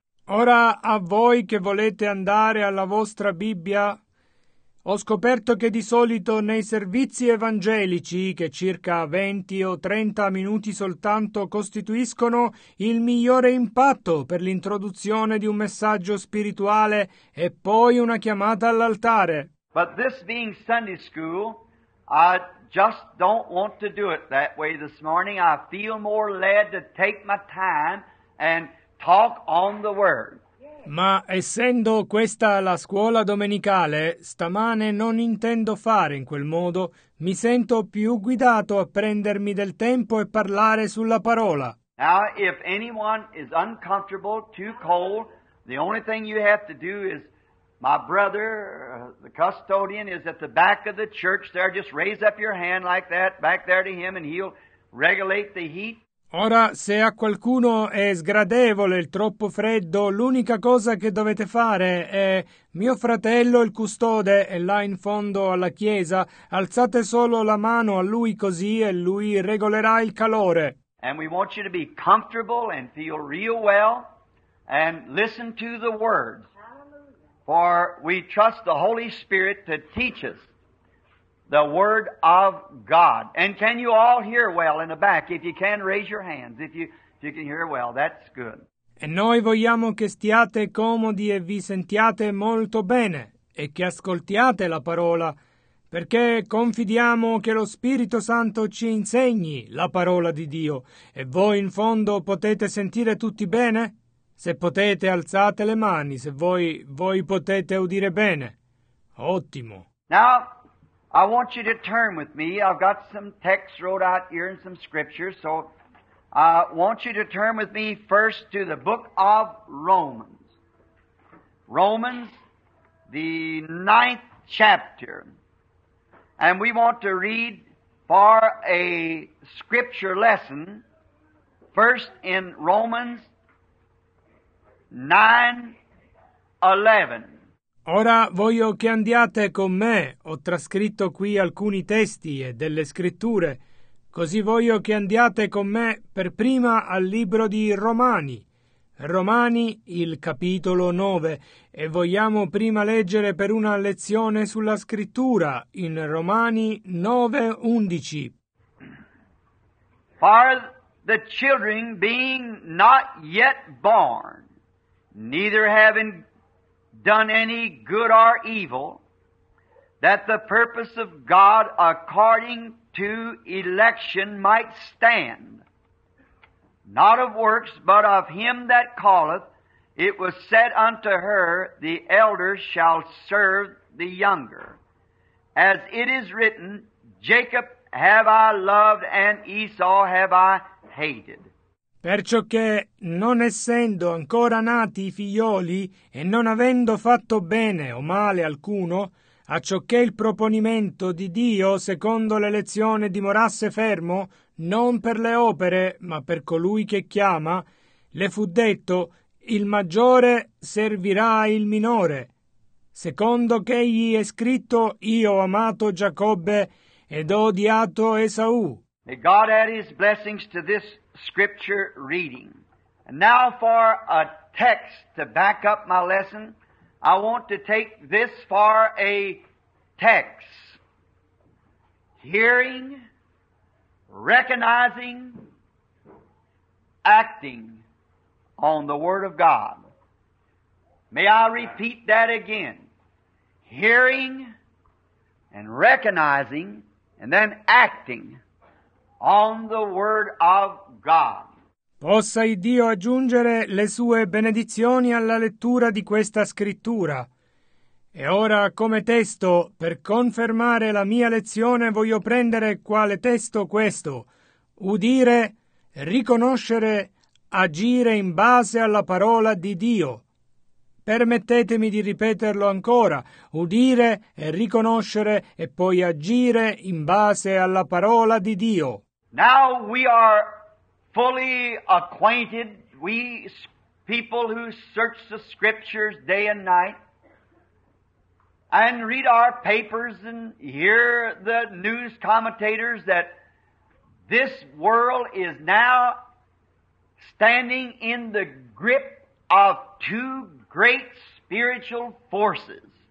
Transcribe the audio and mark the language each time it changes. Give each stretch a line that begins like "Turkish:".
Italian: Ora, a voi che volete andare alla vostra Bibbia, ho scoperto che di solito nei servizi evangelici, che circa 20 o 30 minuti soltanto costituiscono il migliore impatto per l'introduzione di un messaggio spirituale e poi una chiamata all'altare.
English: But this being Sunday school, I just don't want to do it that way this morning. I feel more led to take my time and talk on the word.
Italian: Ma essendo questa la scuola domenicale, stamane non intendo fare in quel modo. Mi sento più guidato a prendermi del tempo e parlare sulla parola.
English: Now, if anyone is uncomfortable, too cold, the only thing you have to do is, my brother, the custodian, is at the back of the church there. Just raise up your hand like that, back there to him, and he'll regulate the heat.
Italian: Ora, se a qualcuno è sgradevole il troppo freddo, l'unica cosa che dovete fare è: mio fratello, il custode, è là in fondo alla chiesa, alzate solo la mano a lui così e lui regolerà il calore.
English: And we want you to be comfortable and feel real well and listen to the words. For we trust the Holy Spirit to teach us the word of God. And can you all hear well in the back? If you can, raise your hands. If you can hear well, that's good.
Italian: E noi vogliamo che stiate comodi e vi sentiate molto bene e che ascoltiate la parola, perché confidiamo che lo Spirito Santo ci insegni la parola di Dio. E voi in fondo potete sentire tutti bene? Se potete, alzate le mani, se voi potete udire bene. Ottimo.
English: Now I want you to turn with me. I've got some texts wrote out here and some scriptures, so I want you to turn with me first to the book of Romans. Romans, the 9th chapter. And we want to read for a scripture lesson First in Romans 9:11.
Italian: Ora voglio che andiate con me. Ho trascritto qui alcuni testi e delle scritture. Così voglio che andiate con me per prima al libro di Romani. Romani, il capitolo 9, e vogliamo prima leggere per una lezione sulla scrittura in Romani 9:11.
English: For the children being not yet born, neither having done any good or evil, that the purpose of God according to election might stand. Not of works, but of him that calleth, it was said unto her, the elder shall serve the younger. As it is written, Jacob have I loved, and Esau have I hated.
Italian: Perciò che, non essendo ancora nati i figlioli, e non avendo fatto bene o male alcuno, a ciò che il proponimento di Dio secondo l'elezione dimorasse fermo, non per le opere, ma per colui che chiama, le fu detto, il maggiore servirà il minore. Secondo che egli è scritto, io ho amato Giacobbe ed ho odiato Esau.
English: May God add his blessings to this scripture reading. And now for a text to back up my lesson, I want to take this for a text. Hearing, recognizing, acting on the Word of God. May I repeat that again? Hearing and recognizing and then acting on the Word of God.
Italian: Possa Dio aggiungere le sue benedizioni alla lettura di questa scrittura. E ora, come testo, per confermare la mia lezione, voglio prendere quale testo questo. Udire, riconoscere, agire in base alla parola di Dio. Permettetemi di ripeterlo ancora. Udire e riconoscere e poi agire in base alla parola di Dio.
English: Now we are fully acquainted, we people who search the scriptures day and night, and read our papers and hear the news commentators, that this world is now standing in the grip of two great spiritual forces.